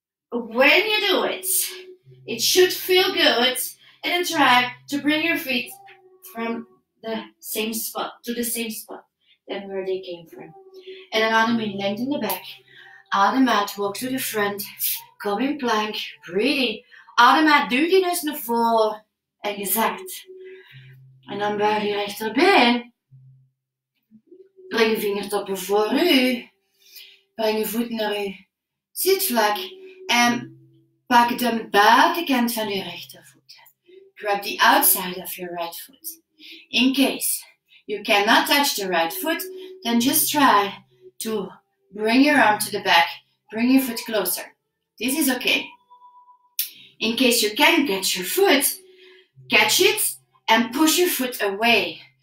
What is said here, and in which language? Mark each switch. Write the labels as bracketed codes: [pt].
[en] When you do it, it should feel good, and then try to bring your feet from the same spot, to the same spot than where they came from. And then on the main, lengthen the back. On the mat, walk to the front, come in plank, breathing. On the mat, [nl] duw je neus naar voren. Exact. En dan buig je rechterbeen. Breng je vingertoppen voor u. Breng je voet naar uw zitvlak. En pak de buitenkant van uw rechtervoet. [en] Grab the outside of your right foot. In case you cannot touch the right foot, then just try to bring your arm to the back. Bring your foot closer. This is okay. In case you can catch your foot, catch it and push your foot away.